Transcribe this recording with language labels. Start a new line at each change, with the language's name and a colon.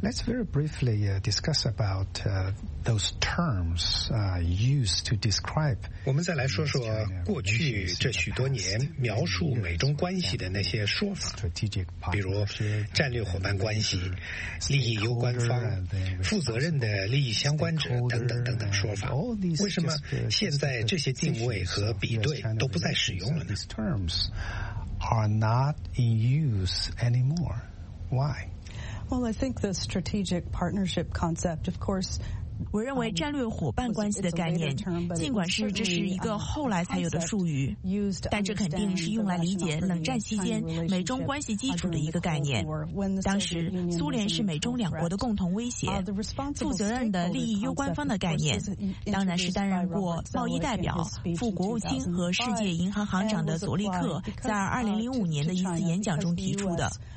English: Let's very briefly discuss about those terms used to describe.
Chinese: 我们再来说说过去这许多年描述美中关系的那些说法，比如战略伙伴关系、利益攸关方、负责任的利益相关者等等等等说法。为什么现在这些定位和比对都不再使用了呢？
English: These terms are not in use anymore. Why? Well, I think the strategic partnership concept, of course,
Chinese: 我认为战略伙伴关系的概念，尽管是这是一个后来才有的术语，但这肯定是用来理解冷战期间美中关系基础的一个概念。当时苏联是美中两国的共同威胁，负责任的利益攸关方的概念当然是担任过贸易代表、副国务卿和世界银行行长的佐利克在2005年的一次演讲中提出的。